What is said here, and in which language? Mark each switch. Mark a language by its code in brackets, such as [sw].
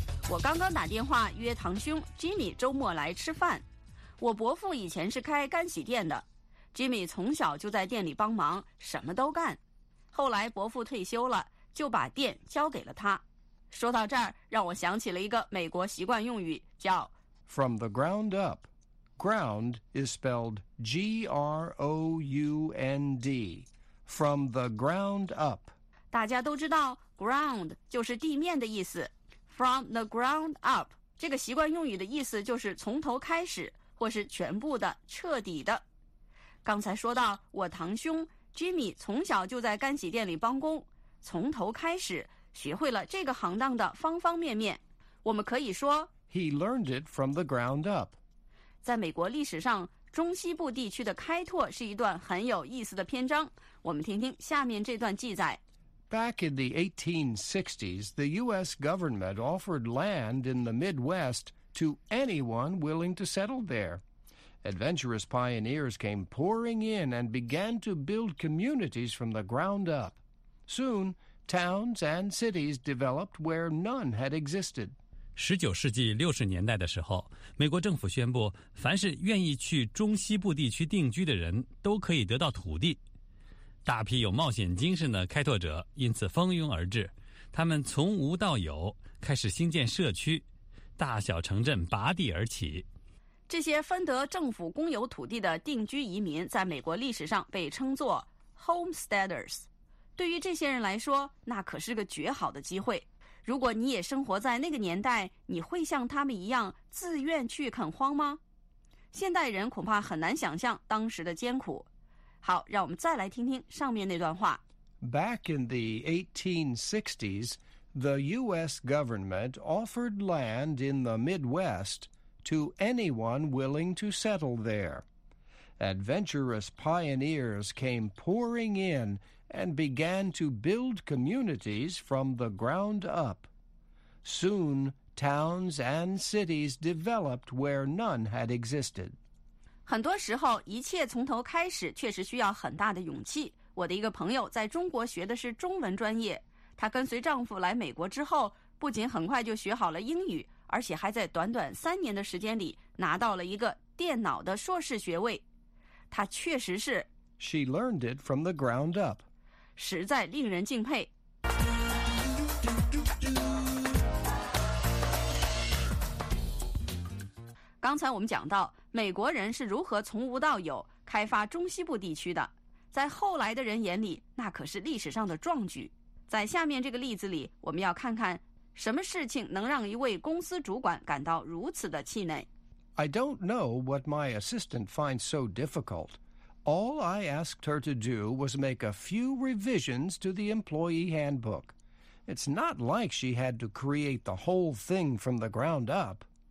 [zh] 我刚刚打电话约堂兄 Jimmy 周末来吃饭。我伯父以前是开干洗店的， Jimmy 从小就在店里帮忙，什么都干。后来伯父退休了，就把店交给了他。说到这儿，让我想起了一个美国习惯用语，叫 [en] From the ground up. Ground is spelled G-R-O-U-N-D. From the ground up. [zh] 大家都知道 ground 就是地面的意思，From the ground up， 这个习惯用语的意思就是从头开始，或是全部的、彻底的。刚才说到我堂兄 Jimmy 从小就在干洗店里帮工，从头开始学会了这个行当的方方面面。我们可以说 [en] He learned it from the ground up。 [zh] 在美国历史上，中西部地区的开拓是一段很有意思的篇章，我们听听下面这段记载。 [en] Back in the 1860s, the U.S. government offered land in the Midwest to anyone willing to settle there. Adventurous pioneers came pouring in and began to build communities from the ground up. Soon, towns and cities developed where none had existed. [zh] 19世纪60年代的时候，美国政府宣布，凡是愿意去中西部地区定居的人都可以得到土地。大批有冒险精神的开拓者因此蜂拥而至，他们从无到有，开始兴建社区，大小城镇拔地而起。这些分得政府公有土地的定居移民在美国历史上被称作 homesteaders。对于这些人来说，那可是个绝好的机会。如果你也生活在那个年代，你会像他们一样自愿去垦荒吗？现代人恐怕很难想象当时的艰苦。好，让我们再来听听上面那段话。 [en] Back in the 1860s, the U.S. government offered land in the Midwest to anyone willing to settle there. Adventurous pioneers came pouring in and began to build communities from the ground up. Soon, towns and cities developed where none had existed. [zh] 很多时候一切从头开始确实需要很大的勇气。我的一个朋友在中国学的是中文专业，她跟随丈夫来美国之后，不仅很快就学好了英语，而且还在短短3年的时间里拿到了一个电脑的硕士学位。她确实是 [en] She learned it from the ground up， [zh] 实在令人敬佩。刚才我们讲到美国人是如何从无到有开发中西部地区的，在后来的人眼里，那可是历史上的壮举。在下面这个例子里，我们要看看什么事情能让一位公司主管感到如此的气馁。 [en] I don't know what my assistant finds so difficult. All I asked her to do was make a few revisions to the employee handbook. It's not like she had to create the whole thing from the ground up.